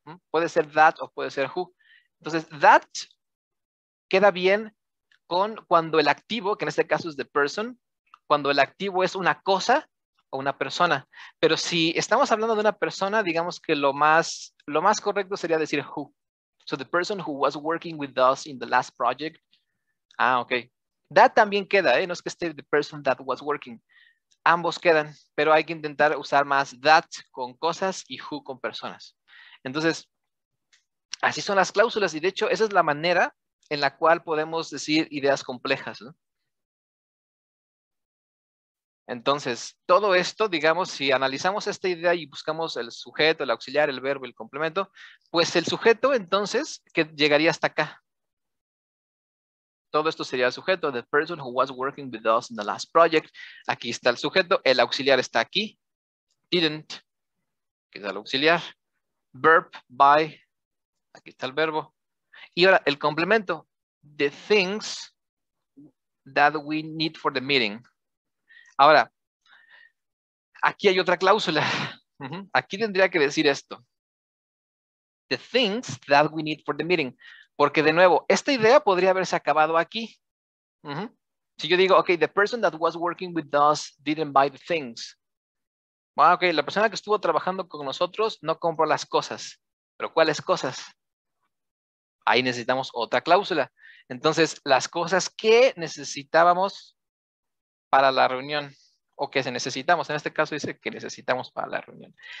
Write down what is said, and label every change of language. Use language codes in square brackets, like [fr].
[es] Puede ser that o puede ser who. Entonces, that queda bien con cuando el activo, que en este caso es the person, cuando el activo es una cosa o una persona. Pero si estamos hablando de una persona, digamos que lo más correcto sería decir who. [en] So the person who was working with us in the last project. Ah, ok. That [es] también queda, ¿eh? No es que esté [en] the person that was working. [es] Ambos quedan, pero hay que intentar usar más that con cosas y who con personas. Entonces, así son las cláusulas. Y de hecho, esa es la manera en la cual podemos decir ideas complejas, ¿no? Entonces, todo esto, digamos, si analizamos esta idea y buscamos el sujeto, el auxiliar, el verbo, el complemento, pues el sujeto, entonces, que llegaría hasta acá. Todo esto sería el sujeto, [en] the person who was working with us in the last project. [es] Aquí está el sujeto, el auxiliar está aquí, didn't, que es el auxiliar, verb, by, aquí está el verbo. Y ahora, el complemento, [en] the things that we need for the meeting. [es] Ahora, aquí hay otra cláusula. Aquí tendría que decir esto. [en] The things that we need for the meeting. [es] Porque de nuevo, esta idea podría haberse acabado aquí. Si yo digo, ok, [en] the person that was working with us didn't buy the things. [es] Bueno, ok, la persona que estuvo trabajando con nosotros no compró las cosas. ¿Pero cuáles cosas? Ahí necesitamos otra cláusula. Entonces, las cosas que necesitábamos para la reunión, o que se necesitamos, en este caso dice que necesitamos para la reunión.